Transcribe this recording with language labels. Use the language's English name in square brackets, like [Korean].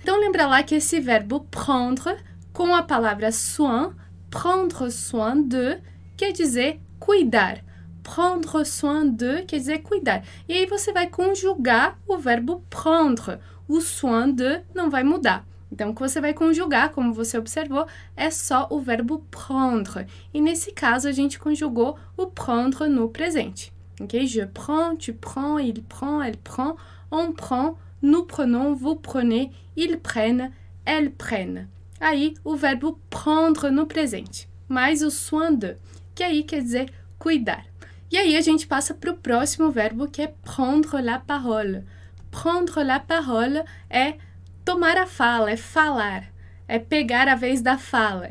[Portuguese] Então, lembra lá que esse verbo prendre, com a palavra soin, prendre soin de, quer dizer, cuidar. Prendre soin de, quer dizer, cuidar. E aí, você vai conjugar o verbo prendre. O soin de não vai mudar. Então, o que você vai conjugar, como você observou, é só o verbo prendre. E nesse caso, a gente conjugou o prendre no presente. Ok? [French] Je prends, tu prends, il prend, elle prend, on prend, nous prenons, vous prenez, ils prennent, elles prennent. [Portuguese] Aí, o verbo prendre no presente. Mais o soin de, que aí quer dizer cuidar. E aí, a gente passa para o próximo verbo, que é prendre la parole. Prendre la parole é tomar a fala, é falar, é pegar a vez da fala.